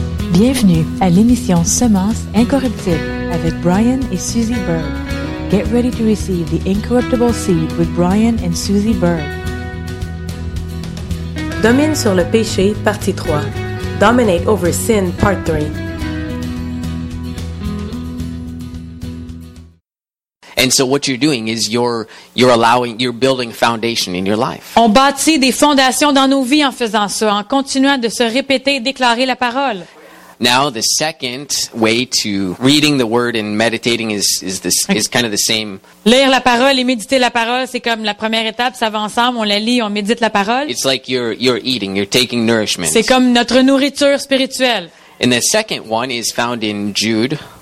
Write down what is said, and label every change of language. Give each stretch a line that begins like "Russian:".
French: Bienvenue à l'émission Semences incorruptibles avec Brian et Susie Berg.
English: Get ready to receive the incorruptible seed with Brian and Susie Berg.
French: Domine sur le péché, partie 3.
English: Dominate over sin, part 3. And so what you're doing is you're building foundation in your life.
French: On bâtit des fondations dans nos vies en faisant ça, en continuant de se répéter et déclarer la parole.
English: Now the second way to reading the word and meditating is kind of the same.
French: Lire la parole et méditer la parole, c'est comme la première étape, ça va ensemble, on la lit, on médite la parole.
English: It's like you're eating, you're taking nourishment.
French: C'est comme notre nourriture spirituelle.
English: And the second one is found in Jude.